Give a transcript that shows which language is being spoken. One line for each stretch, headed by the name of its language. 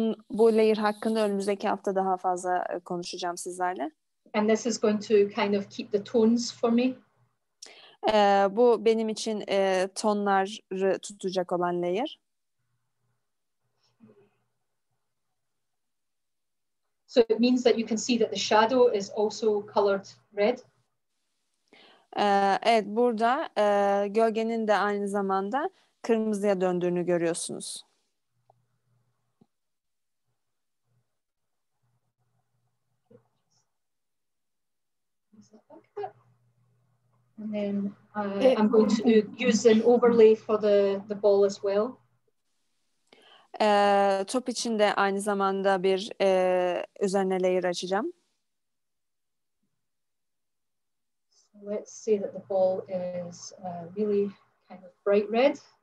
Turkish: Bu layer hakkında önümüzdeki hafta daha fazla konuşacağım sizlerle.
English: And this is going to kind of keep the tones for me.
Turkish: Bu benim için tonları tutacak olan layer.
English: So it means that you can see that the shadow is also colored red.
Turkish: Evet, burada gölgenin de aynı zamanda kırmızıya döndüğünü görüyorsunuz.
English: And then I'm going to use an overlay for the ball as well.
Turkish: Top için de aynı zamanda bir üzerine layer açacağım.
English: So let's say that the ball is really kind of bright red.